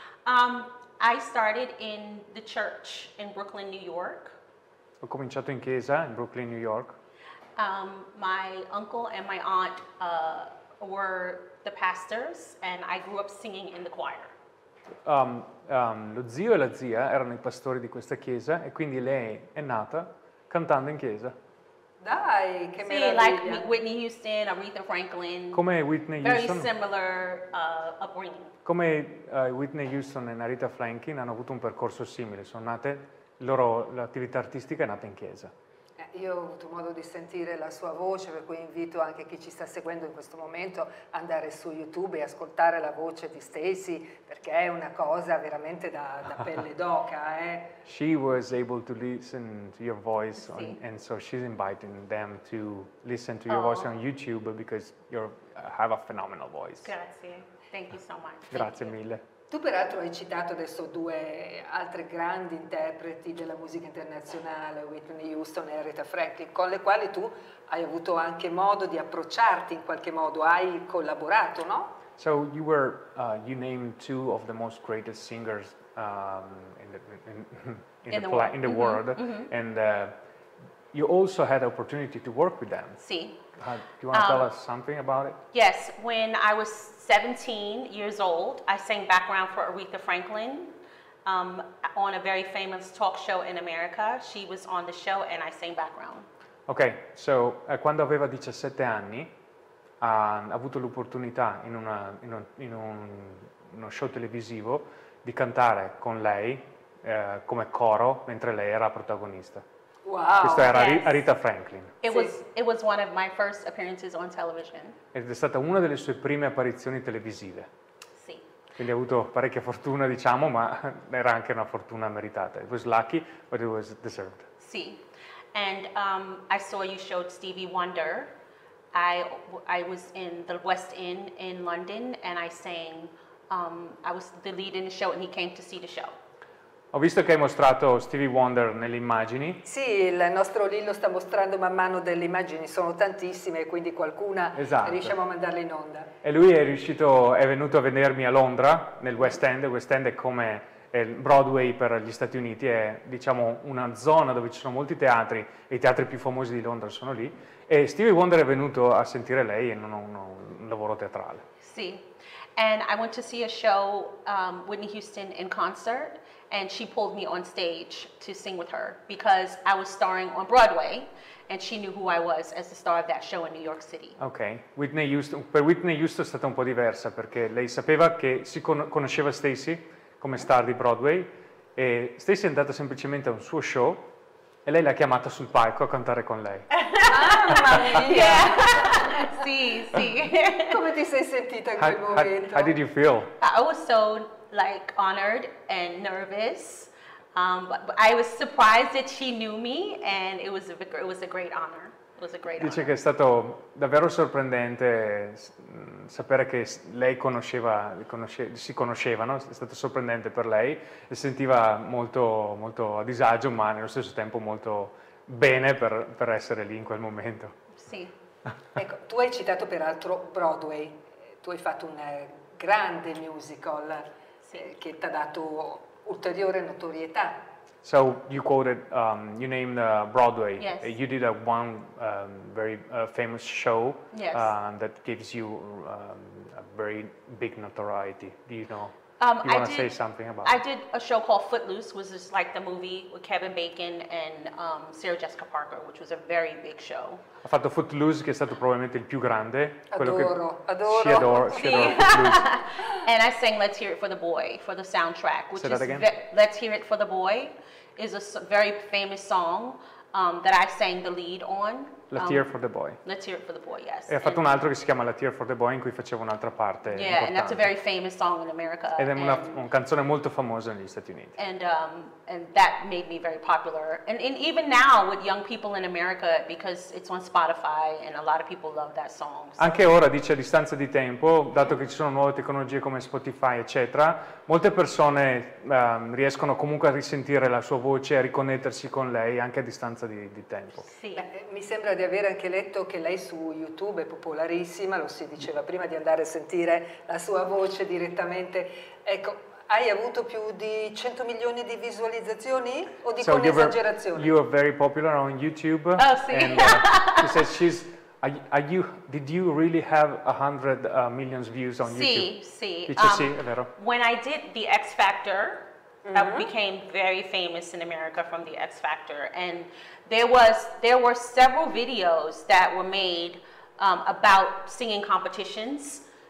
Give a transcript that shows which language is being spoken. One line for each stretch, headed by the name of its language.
English: I started in the church in Brooklyn, New York.
Italian: Ho cominciato in chiesa in Brooklyn, New York.
English: My uncle and my aunt were the pastors, and I grew up singing in the choir.
Italian: Lo zio e la zia erano i pastori di questa chiesa, e quindi lei è nata cantando in chiesa. Dai, che meraviglia! Sì,
English: like
Italian: Whitney Houston, Aretha Franklin. Come Whitney
English: very
Italian: Houston?
English: Very similar upbringing.
Italian: Come Whitney Houston e Aretha Franklin hanno avuto un percorso simile, sono nate, loro l'attività artistica è nata in chiesa. Io ho avuto modo di sentire la sua voce, per cui invito anche chi ci sta seguendo in questo momento ad andare su YouTube e ascoltare la voce di Stacy, perché è una cosa veramente da pelle d'oca.
English: She was able to listen to your voice, on, and so she's inviting them to listen to your voice on YouTube, because you have a phenomenal voice.
Italian: Grazie.
English: Thank you so much.
Italian: Grazie mille. Tu peraltro hai citato adesso due altre grandi interpreti della musica internazionale, Whitney Houston e Aretha Franklin, con le quali tu hai avuto anche modo di approcciarti in qualche modo, hai collaborato, no?
English: So you were you named two of the most greatest singers in the world, and you also had the opportunity to work with them.
Italian: Sì.
English: Do you want to tell us something about it? Yes, when I was 17 years old, I sang background for Aretha Franklin on a very famous talk show in America. She was on the show and I sang background. Okay, so
Italian: quando aveva 17 anni, ha avuto l'opportunità in uno show televisivo di cantare con lei come coro mentre lei era protagonista.
English: Wow.
Italian: Questa era Aretha Franklin.
English: It was one of my first appearances on television.
Italian: Ed è stata una delle sue prime apparizioni televisive. Sì. Quindi ha avuto parecchia fortuna, diciamo, ma era anche una fortuna meritata.
English: It was lucky, but it was deserved.
Italian: Sì.
English: And I saw you showed Stevie Wonder. I was in the West End in London and I sang. I was the lead in the show and he came to see the show.
Italian: Ho visto che hai mostrato Stevie Wonder nelle immagini. Sì, il nostro Lillo sta mostrando man mano delle immagini, sono tantissime, quindi qualcuna riusciamo a mandarle in onda. E lui è venuto a vedermi a Londra, nel West End. West End è come Broadway per gli Stati Uniti, è diciamo una zona dove ci sono molti teatri, e i teatri più famosi di Londra sono lì. E Stevie Wonder è venuto a sentire lei in un lavoro teatrale. Sì,
English: and I went to see a show, Whitney Houston in concert. And she pulled me on stage to sing with her because I was starring on Broadway and she knew who I was as the star of that show in New York City. Okay.
Italian: Whitney Houston, per Whitney Houston è stata un po' diversa perché lei sapeva che si conosceva Stacy come star di Broadway e Stacy è andata semplicemente a un suo show e lei l'ha chiamata sul palco a cantare con lei. Mamma mia! Sì, sì. Come ti sei sentita in quel momento?
English: How did you feel? I was so like honored and nervous, but I was surprised that she knew me, and it was a great honor. It was a great.
Italian: Dice che è stato davvero sorprendente sapere che lei si conoscevano. È stato sorprendente per lei. Si sentiva molto molto a disagio, ma nello stesso tempo molto bene per essere lì in quel momento. Sì. Ecco, tu hai citato peraltro Broadway. Tu hai fatto un grande musical. Che t'ha dato ulteriore notorietà.
English: So you quoted, you named Broadway. Yes. You did a very famous show. Yes. That gives you a very big notoriety. Do you know? You want to say something about I did a show called Footloose, which is like the movie with Kevin Bacon and Sarah Jessica Parker, which was a very big show.
Italian: Ha fatto Footloose, che è stato probabilmente il più grande. Adoro, che adoro.
English: She adore, she adore And I sang Let's Hear It for the Boy for the soundtrack, which say is that again? Let's Hear It for the Boy is a very famous song that I sang the lead on. Let's Hear It for the Boy. Let's Hear It for the Boy, yes.
Italian: E ha fatto un altro che si chiama Let's Hear It for the Boy, in cui faceva un'altra parte
English: yeah,
Italian: importante.
English: And that's a very famous song in America.
Italian: Ed è una canzone molto famosa negli Stati Uniti.
English: And that made me very popular. And even now with young people in America, because it's on Spotify and a lot of people love that song. So.
Italian: Anche ora, dice a distanza di tempo, dato che ci sono nuove tecnologie come Spotify, eccetera, molte persone riescono comunque a risentire la sua voce e a riconnettersi con lei anche a distanza di tempo. Sì. Mi sembra di aver anche letto che lei su YouTube è popolarissima, lo si diceva prima, di andare a sentire la sua voce direttamente. Ecco, hai avuto più di 100 milioni di visualizzazioni o di
English: so
Italian: un'esagerazione?
English: You are very popular on YouTube. Oh,
Italian: sì.
English: And, she says she's, did you really have 100 million views on
Italian: sì,
English: YouTube?
Italian: Sì, dice sì, è vero.
English: When I did The X Factor, mm-hmm. I became very famous in America from The X Factor, and there were several videos that were made about singing competitions.